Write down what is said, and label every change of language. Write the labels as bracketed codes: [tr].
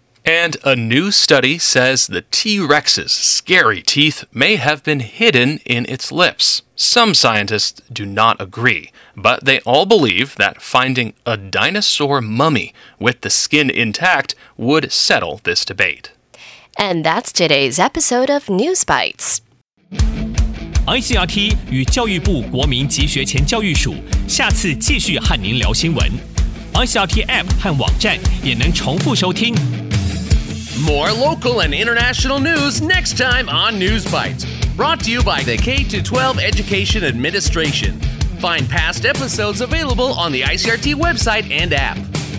[en] And a new study says the T-Rex's scary teeth may have been hidden in its lips. Some scientists do not agree, but they all believe that finding a dinosaur mummy with the skin intact would settle this debate. And that's today's episode of News Bites. [zh] ICRT 与教育部国民及学前教育署 下次继续和您聊新闻。 ICRT App 和网站也能重复收听。 [en] More local and international news next time on News Bites, brought to you by the K-12 Education Administration. Find past episodes available on the ICRT website and app.